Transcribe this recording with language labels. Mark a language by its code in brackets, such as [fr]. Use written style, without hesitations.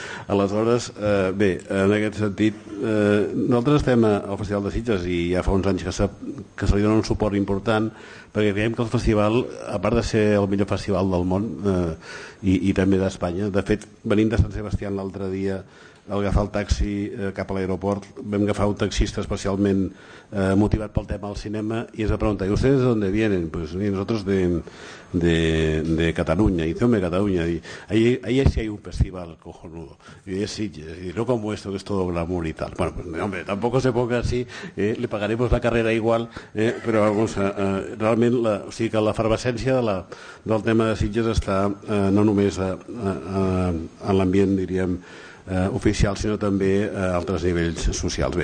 [ca] Aleshores, bé, en aquest sentit, nosaltres estem al Festival de Sitges i ja fa uns anys que se li dona un suport important, perquè creiem que el festival, a part de ser el millor festival del món i també d'Espanya, de fet, venint de Sant Sebastià l'altre dia, al agafar el taxi cap a l'aeroport, vam agafar un taxista especialment motivat pel tema del cinema i ens va preguntar, i vostès d'on vienen? [es] Pues, [ca] i nosaltres de Catalunya, [es] i som de Catalunya, i ahí sí hay un festival cojonudo, i de Sitges, i no como esto que es todo glamour y tal. Bueno, pues, hombre, tampoco se ponga así, le pagaremos la carrera igual, [ca] però vamos, realment, o sigui que la efervescència del tema de Sitges està no només en l'ambient, diríem, oficial, sinó també a altres nivells socials.